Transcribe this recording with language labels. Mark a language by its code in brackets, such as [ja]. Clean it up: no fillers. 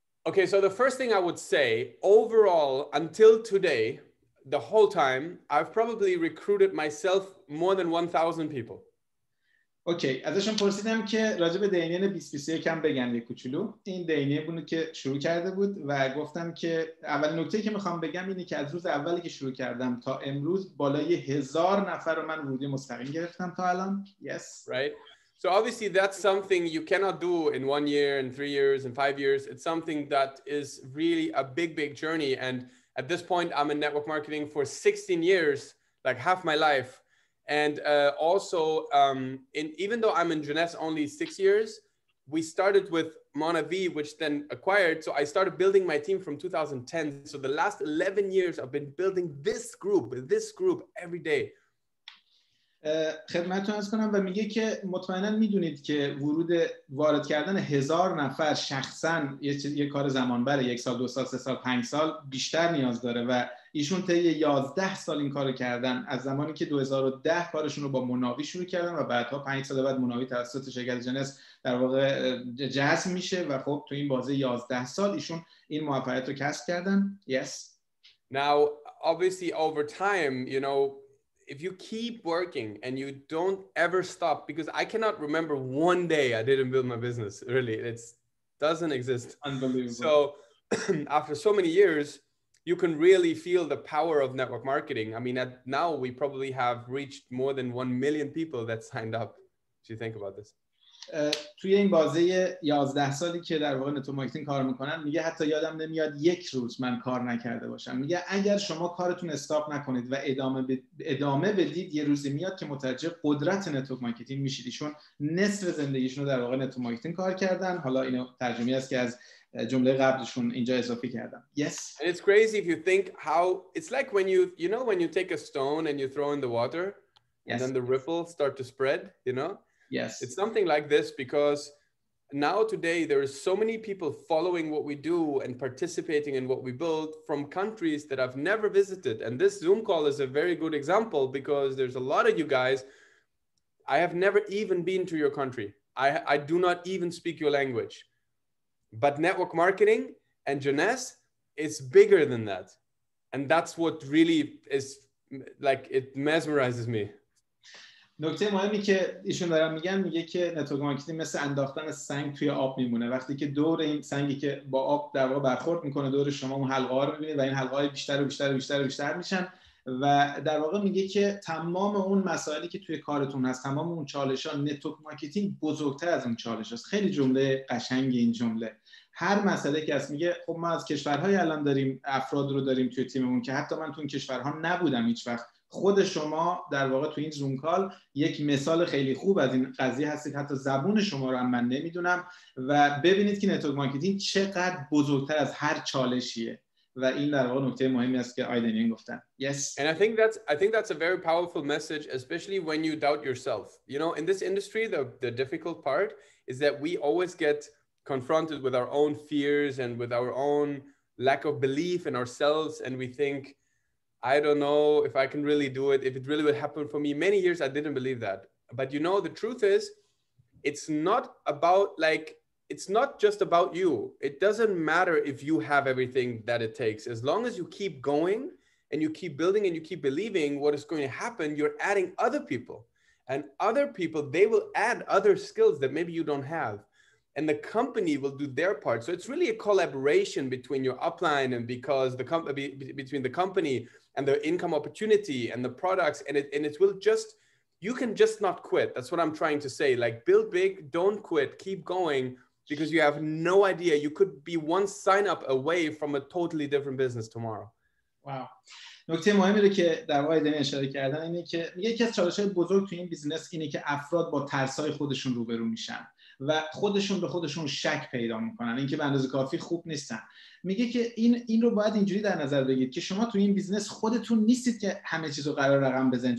[en] Okay, so the first thing I would say, overall, until today, the whole time, I've probably recruited myself more than 1,000 people. [fa] اوکی ازشون پرسیدم که راجع به دینین 2021 کم بگن یه کوچولو. این دینین بونو که شروع کرده بود و گفتم که اول نکته که میخوام بگم اینه که از روز اولی که شروع کردم تا امروز بالای 1,000 نفر رو من ورودی مستقیم گرفتم تا الان. [en] Yes. Right. So obviously that's something you cannot do in 1 year and 3 years and 5 years. It's something that is really a big, big journey. And at this point I'm in network marketing for 16 years, like half my life. And also, even though I'm in Jeunesse only 6 years, we started with Mona V, which then acquired. So I started building my team from 2010. So the last 11 years, I've been building this group every day. [fa] خدمتتون عرض کنم و میگه که مطمئنن میدونید که ورود وارد کردن 1,000 نفر شخصا یه کار زمانبره، 1 سال، 2 سال، 3 سال، 5 سال بیشتر نیاز داره و ایشون طی 11 سال این کارو کردن، از زمانی که 2010 کارشون رو با مناوی شروع کردن و بعدها 5 سال بعد مناوی توسط شرکت جنس در واقع جذب میشه و خب تو این بازه 11 سال ایشون این موفقیت رو کسب کردن. [en] Yes. Now obviously over time, you know, if you keep working and you don't ever stop, because I cannot remember one day I didn't build my business, really, it doesn't exist. Unbelievable. So after so many years, you can really feel the power of network marketing. I mean, now we probably have reached more than 1 million people that signed up. If you think about this. [fa] توی این بازه 11 سالی که در واقع نتورک مارکتینگ کار میکنم، میگه حتی یادم نمیاد یک روز من کار نکرده باشم. میگه اگر شما کارتون استاپ نکنید و ادامه بدید، یه روزی میاد که متوجه قدرت نتورک مارکتینگ میشید. ایشون نصف زندگیشون رو در واقع نتورک مارکتینگ کار کردن. حالا اینو ترجمه‌ای است که از جمله قبلشون اینجا اضافه کردم. [en] Yes. And it's crazy if you think how it's like when you know when you take a stone and you throw in the water and yes. then the ripple start to spread, you know? Yes. It's something like this because now today there are so many people following what we do and participating in what we build from countries that I've never visited. And this Zoom call is a very good example because there's a lot of you guys. I have never even been to your country. I do not even speak your language. But network marketing and Jeunesse is bigger than that. And that's what really is like, it mesmerizes me. [fa] نکته مهمی که ایشون دارن میگن، میگه که نتورک مارکتینگ مثل انداختن سنگ توی آب میمونه. وقتی که دور این سنگی که با آب در واقع برخورد میکنه، دور شما اون حلقه ها رو میبینید و این حلقه های بیشتر و بیشتر و بیشتر و بیشتر میشن و در واقع میگه که تمام اون مسائلی که توی کارتون هست، تمام اون چالش ها، نتورک مارکتینگ بزرگتر از اون چالش هست. خیلی جمله قشنگ این جمله. هر مسئله که هست میگه خب ما از کشورهای الان داریم افراد رو داریم توی تیممون که حتی من تو اون کشورها نبودم هیچ وقت، خود شما در واقع تو این زوم کال یک مثال خیلی خوب از این قضیه هستید. حتی زبون شما رو هم من نمیدونم و ببینید که نتورک مارکتینگ چقدر بزرگتر از هر چالشیه و این در واقع نکته مهمی است که آیدنین گفتن. [en] Yes. And I think that's a very powerful message, especially when you doubt yourself. You know, in this industry, the difficult part is that we always get confronted with our own fears and with our own lack of belief in ourselves, and we think, I don't know if I can really do it, if it really would happen for me. Many years I didn't believe that. But you know, the truth is, it's not just about you. It doesn't matter if you have everything that it takes. As long as you keep going and you keep building and you keep believing what is going to happen, you're adding other people. And other people, they will add other skills that maybe you don't have. And the company will do their part. So it's really a collaboration between your upline and between the company and the income opportunity and the products. And it will just, you can just not quit. That's what I'm trying to say. Like, build big, don't quit, keep going, because you have no idea. You could be one sign up away from a totally different business tomorrow. Wow. [fa] نکته مهمی رو که در واقع دین اشاره کردن اینه که میگه یکی از چالش‌های بزرگ توی این بیزینس اینه که افراد با ترس‌های خودشون روبرو میشن و خودشون به خودشون شک پیدا میکنن، اینکه به اندازه کافی خوب نیستن. میگه که این رو باید اینجوری در نظر بگیرید که شما توی این بیزینس خودتون نیستید که همه چیزو قرار رقم بزنید.